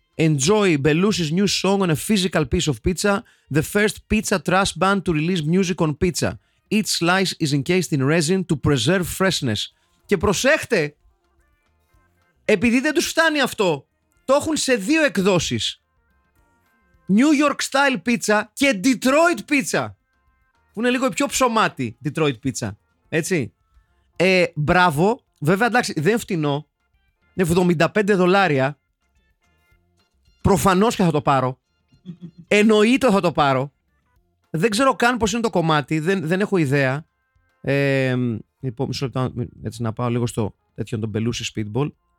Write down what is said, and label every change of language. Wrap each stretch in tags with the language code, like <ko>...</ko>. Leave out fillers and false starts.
<en>Enjoy Belushi's new song on a physical piece of pizza, the first pizza trash band to release music on pizza. Each slice is encased in resin to preserve freshness.</en> <el>Και προσέχτε, επειδή δεν τους φτάνει αυτό, το έχουν σε δύο εκδόσεις. New York style pizza και Detroit pizza, που είναι λίγο πιο ψωμάτη Detroit pizza, έτσι. Μπράβο, βέβαια, εντάξει, δεν φτηνό, είναι $75. Προφανώς και θα το πάρω. Εννοείται θα το πάρω. Δεν ξέρω καν πώς είναι το κομμάτι. Δεν έχω ιδέα. Λοιπόν, μισό λεπτό, έτσι, να πάω λίγο στο τέτοιο, τον Belushi Speedball.</el>